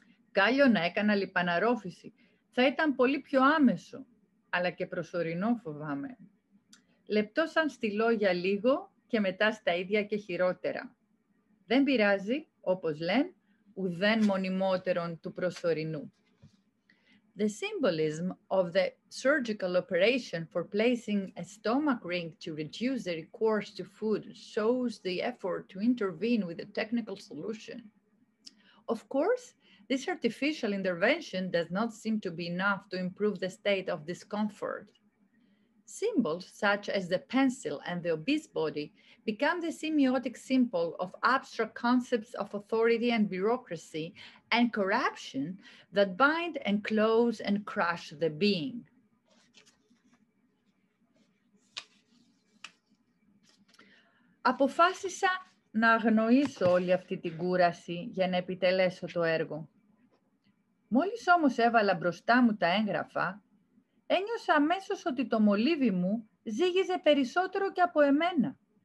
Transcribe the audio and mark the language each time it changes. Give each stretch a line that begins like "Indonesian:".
Greek: Κάλιο να έκανα λιπαναρόφηση. Θα ήταν πολύ πιο άμεσο, αλλά και προσωρινό φοβάμαι. Λεπτό σαν στυλό για λίγο και μετά στα ίδια και χειρότερα. Δεν πειράζει, όπως λένε, ουδέν μονιμότερον του προσωρινού.
English: The symbolism of the surgical operation for placing a stomach ring to reduce the recourse to food shows the effort to intervene with a technical solution. Of course, this artificial intervention does not seem to be enough to improve the state of discomfort. Symbols such as the pencil and the obese body become the semiotic symbol of abstract concepts of authority and bureaucracy and corruption that bind and close and crush the being.
Greek: Αποφάσισα να αγνοήσω όλη αυτή την κούραση για να επιτελέσω το έργο. Μόλις όμως έβαλα μπροστά μου τα έγγραφα, ένιωσα αμέσως ότι το μολύβι μου ζύγιζε περισσότερο και από εμένα.